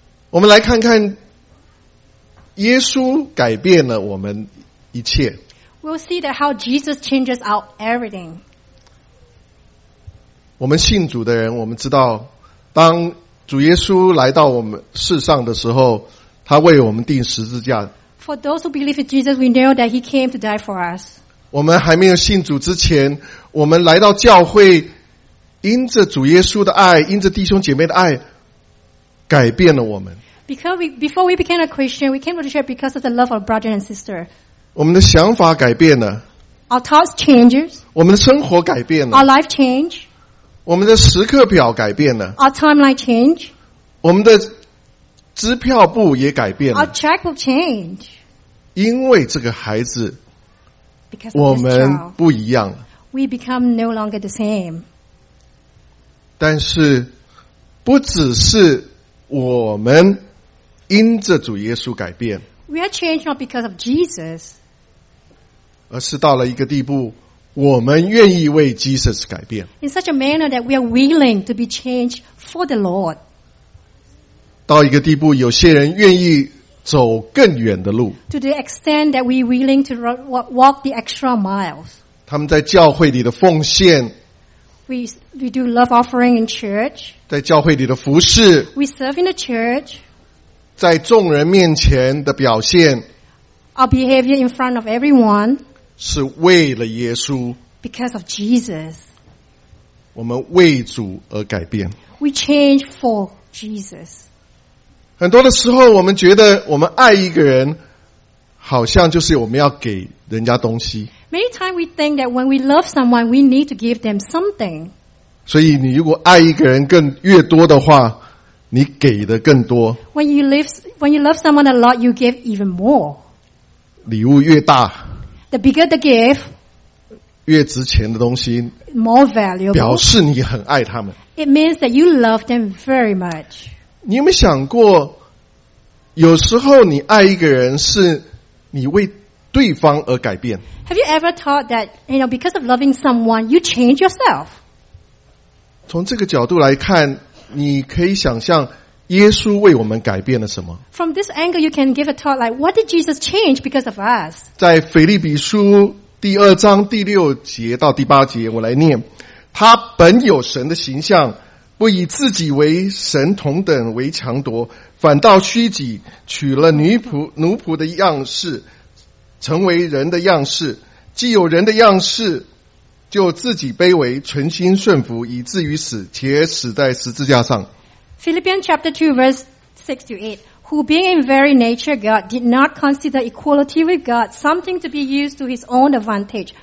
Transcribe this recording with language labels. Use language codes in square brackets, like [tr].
[zh] 我们来看看耶稣改变了我们一切。 [en] We'll see that how Jesus changes out everything. [zh] 我们信主的人，我们知道，当主耶稣来到我们世上的时候，他为我们钉十字架。 [en] For those who believe in Jesus, we know that He came to die for us. [zh] 我们还没有信主之前，我们来到教会，因着主耶稣的爱，因着弟兄姐妹的爱，改变了我们。 [en] Before we became a Christian, we came to church because of the love of brother and sister. [zh] 我们的想法改变了。 [en] Our thoughts changes. [zh] 我们的生活改变了。 [en] Our life change. [zh] 我们的时刻表改变了。 [en] Our timeline change. [zh] 我们的支票簿也改变了。 [en] Our check will change. [zh] 因为这个孩子 [en] child, [zh] 我们不一样了。 [en] We become no longer the same. [zh] 但是不只是我们因着主耶稣改变。 [en] We are changed not because of Jesus. [zh] 而是到了一个地步，我们愿意为 Jesus 改变。 [en] In such a manner that we are willing to be changed for the Lord. [zh] 到一个地步，有些人愿意走更远的路。 [en] To the extent that we willing to walk the extra miles. [zh] 他们在教会里的奉献。 [en] We do love offering in church. [zh] 在教会里的服事。 [en] We serve in the church. [zh] 在众人面前的表现。 [en] Our behavior in front of everyone. [zh] 是为了耶稣。 [en] Because of Jesus. [zh] 我们为主而改变。 [en] We change for Jesus. [zh] 很多的时候我们觉得我们爱一个人好像就是我们要给人家东西。 [en] Many times we think that when we love someone, we need to give them something. [zh] 所以你如果爱一个人更越多的话，你给的更多。 [en] When you love someone a lot, you give even more. [zh] 礼物越大。 [en] The bigger the gift, [zh] 越值钱的东西。 [en] More valuable. [zh] 表示你很爱他们。 [en] It means that you love them very much. [zh] 你有没有想过，有时候你爱一个人，是你为对方而改变。 [en] Have you ever thought that, you know, because of loving someone, you change yourself? [zh] 从这个角度来看，你可以想象耶稣为我们改变了什么。 [en] From this angle, you can give a thought like, what did Jesus change because of us? [zh] 在腓立比书第二章第六节到第八节，我来念，他本有神的形象。不以自己为神同等为强夺，反倒虚己，取了奴仆的样式，成为人的样式。既有人的样式，就自己卑微，存心顺服，以至于死，且死在十字架上。 [en] Philippians chapter 2 verse 6 to 8. Who being in very nature God, did not consider equality with God something to be used to his own advantage.